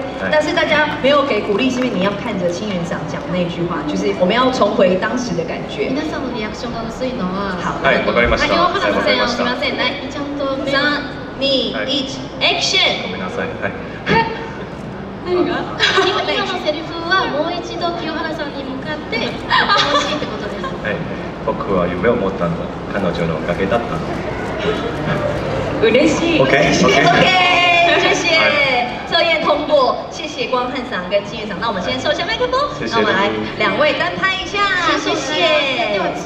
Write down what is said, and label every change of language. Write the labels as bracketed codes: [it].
[zh] 但是大家没有给鼓励，是因为你要看着清源嗓讲那句话，就是我们要重回当时的感觉。 [ja] 皆さんのリアクションが薄いのは。 [zh] 好。 [ja] はい、わかりました。はい、わかりました。すみません、来、ちゃんと [zh] 三。二一 ，Action！ [ja] ごめんなさい。はい。何が？今のセリフはもう一度清原さんに向かって欲しいってことです。僕は夢を持ったのは彼女のおかげだったの。嬉しい。 [en] OK。 [zh] 谢谢。测验通过，谢谢光汉嗓跟清源嗓。那我们先收下麦克风。谢谢。那我们来两位单拍一下。谢谢。